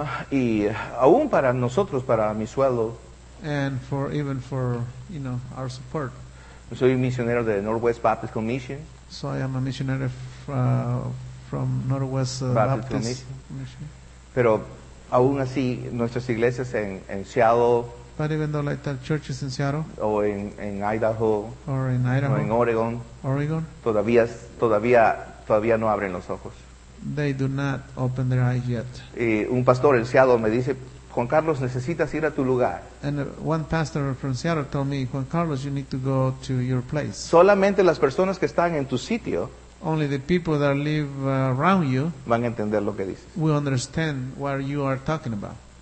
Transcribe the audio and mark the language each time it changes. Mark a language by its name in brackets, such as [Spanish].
[Spanish] Y aún para nosotros, para mi sueldo. [English] And for even for, you know, our support. [Spanish] Soy un misionero de Northwest Baptist Commission. [English] So I am a missionary from Northwest Baptist Commission. [Spanish] Pero aún así, nuestras iglesias en Seattle, [English] But even though like the churches in Seattle or in Idaho or in Idaho or in Oregon, Oregon [Spanish] todavía no abren los ojos. [English] They do not open their eyes yet. [Spanish] Y un pastor en Seattle me dice, Juan Carlos, necesitas ir a tu lugar. [English] And one pastor from Seattle told me, Juan Carlos, you need to go to your place. [Spanish] Solamente las personas que están en tu sitio, [English] only the people that live around you, [Spanish] van a entender lo que dices. [English] We understand what you are talking about.